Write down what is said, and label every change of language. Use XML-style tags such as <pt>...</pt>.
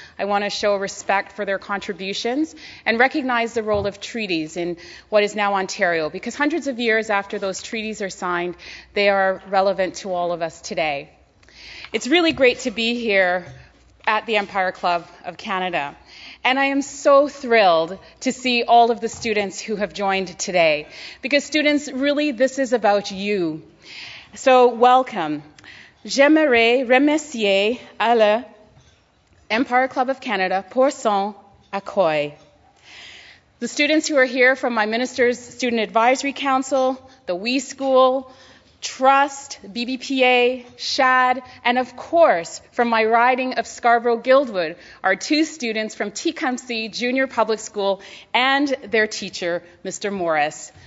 <en>I want to show respect for their contributions and recognize the role of treaties in what is now Ontario, because hundreds of years after those treaties are signed, they are relevant to all of us today. It's really great to be here at the Empire Club of Canada. And I am so thrilled to see all of the students who have joined today, because students, really, this is about you. So welcome.</en> <fr>J'aimerais remercier à le Empire Club of Canada pour son accueil.</fr> <en>The students who are here from my Minister's Student Advisory Council, the WE School, Trust, BBPA, SHAD, and of course, from my riding of Scarborough-Guildwood, are two students from Tecumseh Junior Public School and their teacher, Mr. Morris.</en>